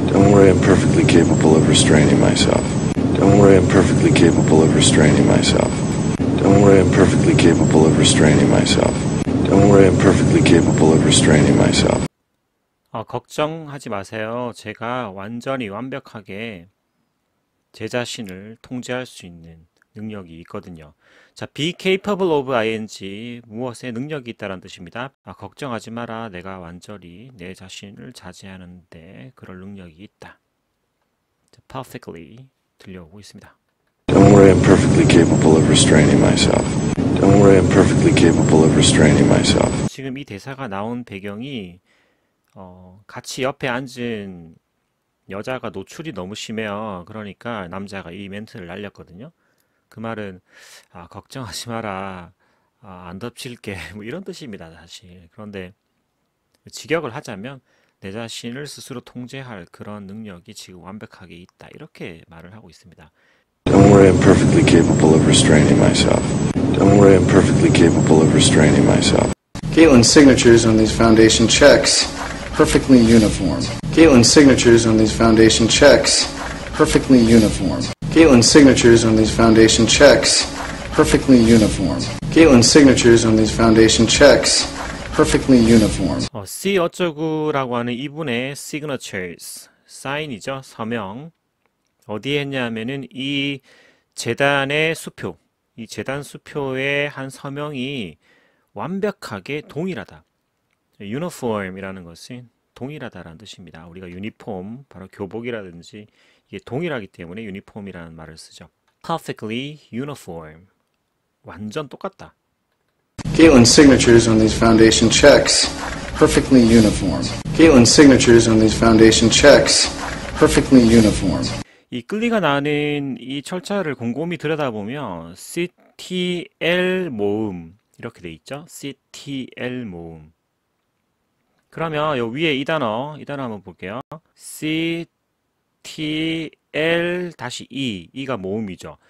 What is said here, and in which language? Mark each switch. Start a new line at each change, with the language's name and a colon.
English: Don't worry, I'm perfectly capable of restraining myself. Don't worry, I'm perfectly capable of restraining myself. Don't worry, I'm perfectly capable of restraining myself. Don't worry, I'm perfectly capable of restraining myself.
Korean: 걱정하지 마세요. 제가 완전히 완벽하게 제 자신을 통제할 수 있는 능력이 있거든요. 자,
English: be capable of ing
Korean: 무엇에 능력이 있다라는 뜻입니다. 걱정하지 마라. 내가 완전히 내 자신을 자제하는데 그럴 능력이 있다. 자, perfectly 들려오고 있습니다.
English: Don't worry, I'm perfectly capable of restraining myself. Don't worry, I'm perfectly capable of restraining myself.
Korean: 지금 이 대사가 나온 배경이 같이 옆에 앉은 여자가 노출이 너무 심해요. 그러니까 남자가 이 멘트를 날렸거든요. 그 말은 걱정하지 마라. 안 덮칠게. 뭐 이런 뜻입니다, 사실. 그런데 직역을 하자면 내 자신을 스스로 통제할 그런 능력이 지금 완벽하게 있다. 이렇게 말을 하고 있습니다.
English: Don't worry, I'm perfectly capable of restraining myself. Don't worry, I'm perfectly capable of restraining myself. Caitlin's signatures on these foundation checks, perfectly uniform. Caitlin's signatures on these foundation checks, perfectly uniform. Caitlin's signatures on these foundation checks, perfectly uniform. Caitlin's signatures on these foundation checks, perfectly uniform.
Korean: See 어쩌구라고 하는 이분의 signatures, 사인이죠, 서명. 어디에 했냐면은 이 재단의 수표, 이 재단 수표의 한 서명이 완벽하게 동일하다. Uniform이라는 것은 동일하다라는 뜻입니다. 우리가 유니폼, 바로 교복이라든지 이게 동일하기 때문에 유니폼이라는 말을 쓰죠.
English: Perfectly uniform.
Korean: 완전 똑같다.
English: Caitlin's signatures on these foundation checks, perfectly uniform. Caitlin's signatures on these foundation checks, perfectly uniform.
Korean: 이 끌리가 나는 이 철자를 곰곰이 들여다보면 CTL 모음 이렇게 돼 있죠. CTL 모음. 그러면 요 위에 이 단어 한번 볼게요. CTL-E 이가 모음이죠.